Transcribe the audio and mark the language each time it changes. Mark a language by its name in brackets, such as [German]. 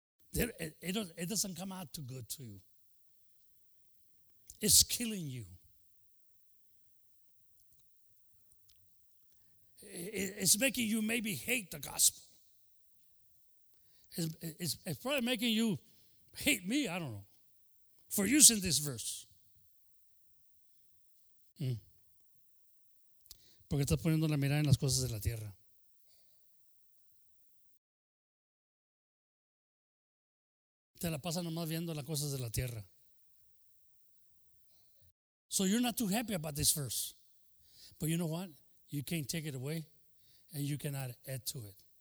[English] It doesn't come out too good to you. It's killing you. It's making you maybe hate the gospel. It's probably making you hate me, I don't know, for using this verse. [Spanish] Porque estás poniendo la mirada en las cosas de la tierra. Te la pasas nomás viendo las cosas de la tierra. [English] So you're not too happy about this verse. But you know what? You can't take it away and you cannot add to it.